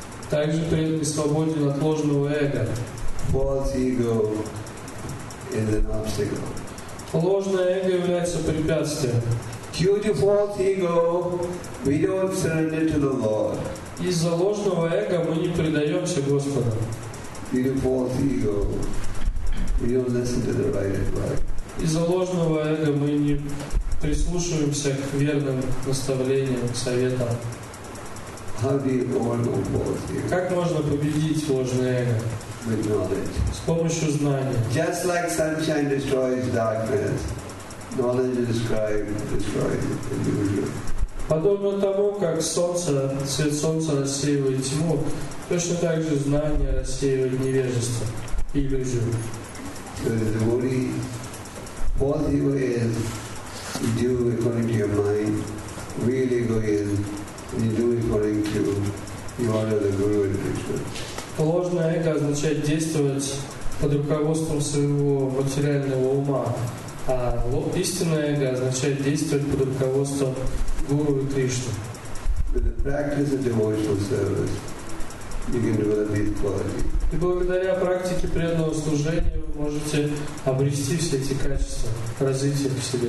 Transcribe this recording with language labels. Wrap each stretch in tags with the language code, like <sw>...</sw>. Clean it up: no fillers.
<ru>Также преданный свободен от ложного эго. Ложное эго является препятствием.</ru> <en>Due to false ego, we don't surrender to the Lord.</en> <ru>Из-за ложного эго мы не предаемся Господу.</ru> <en>Due to false ego, we don't listen to the right advice.</en> <ru>Из-за ложного эго мы не прислушиваемся к верным наставлениям, советам.</ru> <en>How do you overcome false ego?</en> <ru>Как можно победить ложное эго?</ru> <en>With knowledge.</en> <ru>С помощью знания.</ru> <en>Just like sunshine destroys darkness, knowledge destroys illusion.</en> <ru>Подобно тому, как солнце, свет солнца рассеивает тьму, точно так же знание рассеивает невежество и иллюзию.</ru> <en>So the devotee, false ego is due according to your mind, real ego is you do according to the order of the Guru and Krishna.</en> <ru>Ложное эго означает действовать под руководством своего материального ума, а истинное эго означает действовать под руководством Гуру и Кришны.</ru> <en>With the practice of devotional service, you can develop these qualities.</en> <ru>И благодаря практике преданного служения вы можете обрести все эти качества, развить их в себе.</ru>